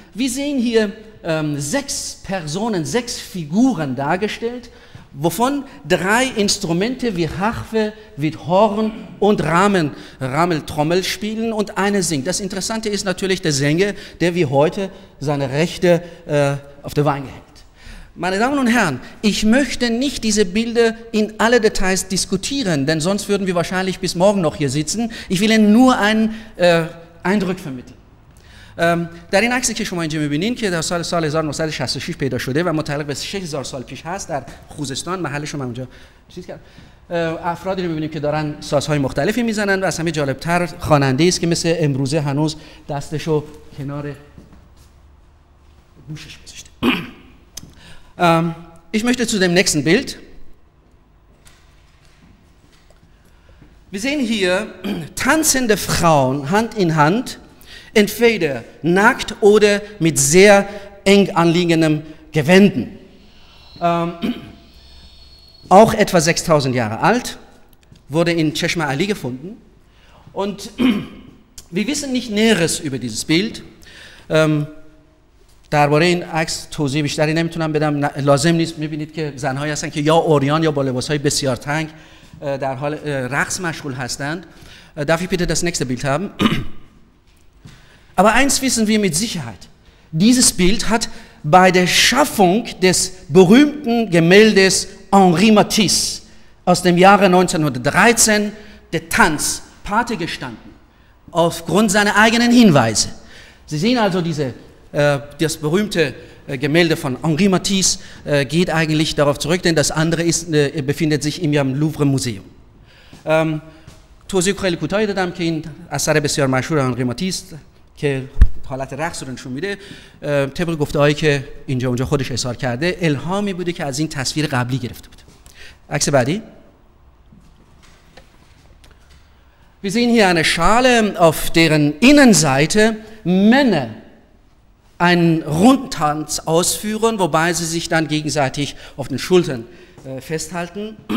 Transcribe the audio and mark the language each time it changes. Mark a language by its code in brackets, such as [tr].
[de] Wir sehen hier sechs Personen, sechs Figuren dargestellt, wovon drei Instrumente wie Harfe, wie Horn und Rammeltrommel spielen und eine singt. Das Interessante ist natürlich der Sänger, der wie heute seine Rechte auf der Wange hält. Meine Damen und Herren, ich möchte nicht diese Bilder in alle Details diskutieren, denn sonst würden wir wahrscheinlich bis morgen noch hier sitzen. Ich will Ihnen nur einen Eindruck vermitteln. [fa] در این عکسی که شما اینجا می‌بینین که در سال 1966 پیدا شده و متعلق به 6000 سال پیش هست در خوزستان، محلش رو من اونجا چیز کردم، افرادی رو می‌بینیم که دارن سازهای مختلفی می‌زنن و از همه جالب‌تر خواننده است که مثل امروزه هنوز دستش رو کنار گوشش گذاشته. [de] ich möchte zu dem nächsten Bild. Wir sehen hier tanzende Frauen Hand in Hand, entweder nackt oder mit sehr eng anliegendem Gewänden. Auch etwa 6000 Jahre alt, wurde in Chashma Ali gefunden. Und wir wissen nicht Näheres über dieses Bild. [fa] درباره این عکس توضیح بیشتری نمیتونم بدم. لازم نیست. میبینید که زنهایی هستن که یا اوریان یا با لباسهای بسیار تنگ در حال رقص مشغول هستند. [de] Darf ich bitte das nächste Bild haben? Aber eins wissen wir mit Sicherheit. Dieses Bild hat bei der Schaffung des berühmten Gemäldes Henri Matisse aus dem Jahre 1913 der Tanz Pate gestanden, aufgrund seiner eigenen Hinweise. Sie sehen also das berühmte Gemälde von Henri Matisse geht eigentlich darauf zurück, denn das andere ist, befindet sich im Louvre Museum. [fa] توضیح خیلی کوتاهی دادم که این اثر بسیار مشهور آنری ماتیس که حالت رقص رو نشون میده طبق گفته هایی که اینجا اونجا خودش اظهار کرده الهامی بوده که از این تصویر قبلی گرفته بود. عکس بعدی [de] Wir sehen hier eine Schale, auf deren Innenseite Männer einen Rundtanz ausführen, wobei sie sich dann gegenseitig auf den Schultern festhalten.